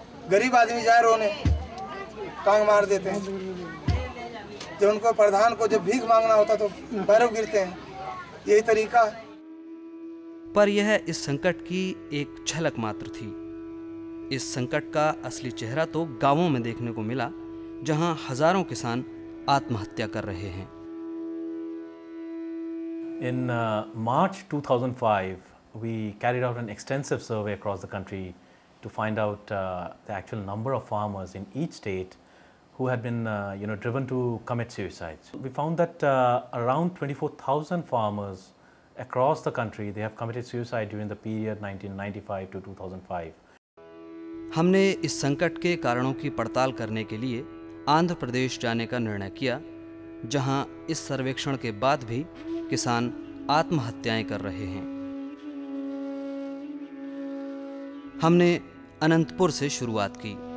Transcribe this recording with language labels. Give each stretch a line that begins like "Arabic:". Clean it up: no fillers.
Hindi: गरीब आदमी जाए रोने टांग मार देते हैं, जो उनको प्रधान को जब भीख मांगना होता तो पैरों गिरते हैं, यही तरीका है। पर यह इस संकट की एक झलक मात्र थी। इस संकट का असली चेहरा तो गांवों में देखने को मिला, जहां हजारों किसान आत्महत्या कर रहे हैं।
English: In March 2005, we carried out an extensive survey across the country to find out the actual number of farmers in each state who had been, you know, driven to commit suicide. We found that around 24,000 farmers across the country, they have committed suicide during the period 1995 to 2005.
Hindi: हमने इस संकट के कारणों की पड़ताल करने के लिए आंध्र प्रदेश जाने का निर्णय किया, जहां इस सर्वेक्षण के बाद भी किसान आत्महत्याएं कर रहे हैं। हमने अनंतपुर से शुरुआत की।